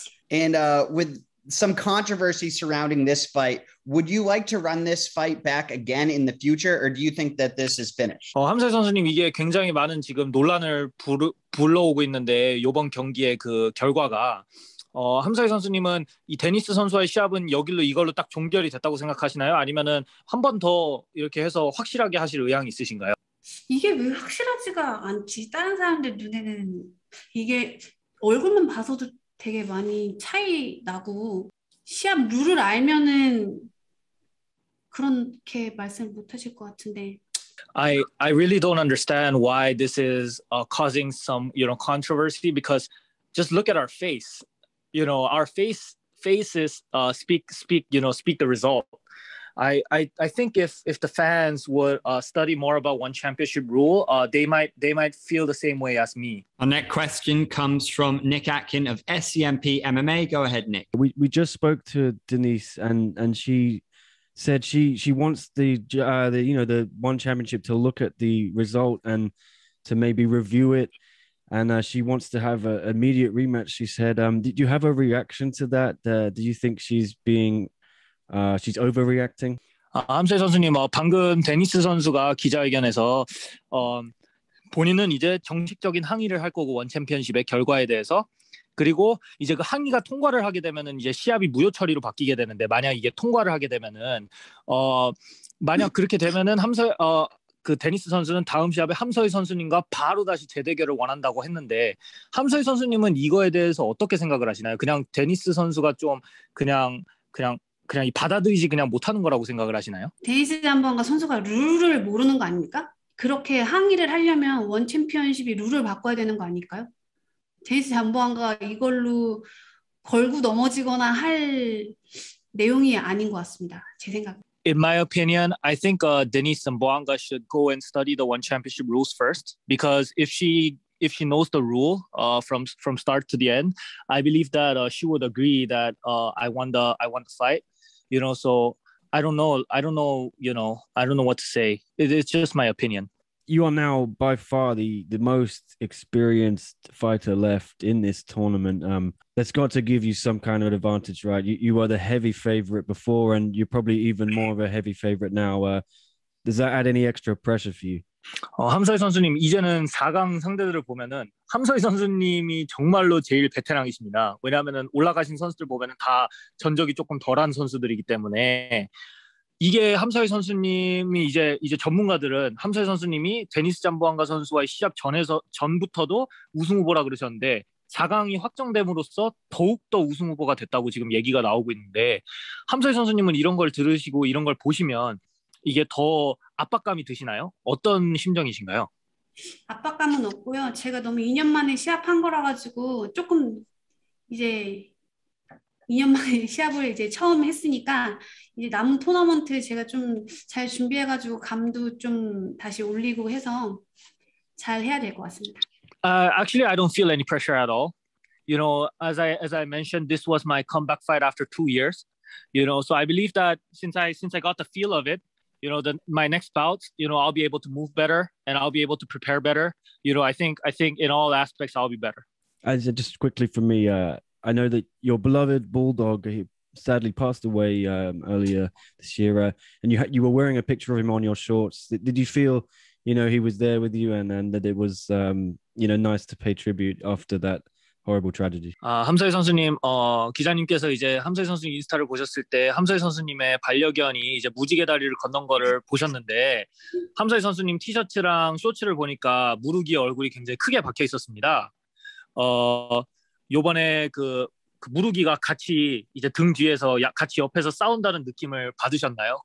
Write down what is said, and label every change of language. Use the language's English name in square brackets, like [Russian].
[English] And with some controversy surrounding this fight, would you like to run this fight back again in the future, or do you think that this is finished? [Korean] 함서희 선수님, 이게 굉장히 많은 지금 논란을 불러오고 있는데 이번 경기의 그 결과가 함서희 선수님은 이 데니스 선수와의 시합은 여기로 이걸로 딱 종결이 됐다고 생각하시나요? 아니면은 한 번 더 이렇게 해서 확실하게 하실 의향이 있으신가요? 이게 왜 확실하지가 않지? 다른 사람들 눈에는 이게 얼굴만 봐서도 되게 많이 차이 나고 시합 룰을 알면은 그렇게 말씀 못 하실 것 같은데 [English] I really don't understand why this is causing some, you know, controversy because just look at our face. You know, our faces speak, you know, speak the result. I think if the fans would study more about one championship rule, they might feel the same way as me. Our next question comes from Nick Atkin of SCMP MMA. Go ahead, Nick. We just spoke to Denice and she said she wants the one championship to look at the result and to maybe review it. And she wants to have an immediate rematch. She said, "Did you have a reaction to that? Do you think she's being, she's overreacting?" [Korean] 함서희 선수님, 방금 데니스 선수가 기자회견에서 본인은 이제 정식적인 항의를 할 거고 원 챔피언십의 결과에 대해서 그리고 이제 그 항의가 통과를 하게 되면은 이제 시합이 무효 처리로 바뀌게 되는데 만약 이게 통과를 하게 되면은 만약 그렇게 되면은 함서희 그 데니스 선수는 다음 시합에 함서희 선수님과 바로 다시 재대결을 원한다고 했는데 함서희 선수님은 이거에 대해서 어떻게 생각을 하시나요? 그냥 데니스 선수가 좀 그냥 받아들이지 그냥 못하는 거라고 생각을 하시나요? 데니스 잠번가 선수가 룰을 모르는 거 아닙니까? 그렇게 항의를 하려면 원 챔피언십이 룰을 바꿔야 되는 거 아닐까요? 데니스 잠번가 이걸로 걸고 넘어지거나 할 내용이 아닌 것 같습니다. 제 생각. [English] In my opinion, I think Denice Zamboanga should go and study the ONE Championship rules first, because if she knows the rule from start to the end, I believe that she would agree that I want the fight. You know, so I don't know what to say. It's just my opinion. You are now by far the most experienced fighter left in this tournament. That's got to give you some kind of advantage, right? You were the heavy favorite before, and you're probably even more of a heavy favorite now. Does that add any extra pressure for you? [Korean] 함서희 선수님, 이제는 4강 상대들을 보면은 함서희 선수님이 정말로 제일 베테랑이십니다. 왜냐하면은 올라가신 선수들 보면은 다 전적이 조금 덜한 선수들이기 때문에 이게 함서희 선수님이 이제 전문가들은 함서희 선수님이 데니스 잠보안가 선수와의 시합 전에서 전부터도 우승 후보라 그러셨는데 4강이 확정됨으로써 더욱더 우승 후보가 됐다고 지금 얘기가 나오고 있는데 함서희 선수님은 이런 걸 들으시고 이런 걸 보시면 이게 더 압박감이 드시나요? 어떤 심정이신가요? 압박감은 없고요. 제가 너무 2년 만에 시합한 거라가지고 조금 이제 2년 만에 시합을 이제 처음 했으니까 이제 남은 토너먼트 제가 좀 잘 준비해가지고 감도 좀 다시 올리고 해서 잘 해야 될 것 같습니다. [English] Actually, I don't feel any pressure at all. You know, as I mentioned, this was my comeback fight after 2 years. You know, so I believe that since I got the feel of it, you know, my next bout, you know, I'll be able to move better and I'll be able to prepare better. You know, I think in all aspects, I'll be better. As just quickly for me, I know that your beloved bulldog, he sadly passed away earlier this year, and you were wearing a picture of him on your shorts. Did you feel, you know, he was there with you and that it was, you know, nice to pay tribute after that horrible tragedy? [Korean] 아, 함서희 선수님, 기자님께서 이제 함서희 선수님 인스타를 보셨을 때 함서희 선수님의 반려견이 이제 무지개 다리를 건넌 거를 보셨는데 함서희 선수님 티셔츠랑 쇼츠를 보니까 무르기 얼굴이 굉장히 크게 박혀 있었습니다. 요번에 그 무르기가 같이 이제 등 뒤에서 같이 옆에서 싸운다는 느낌을 받으셨나요?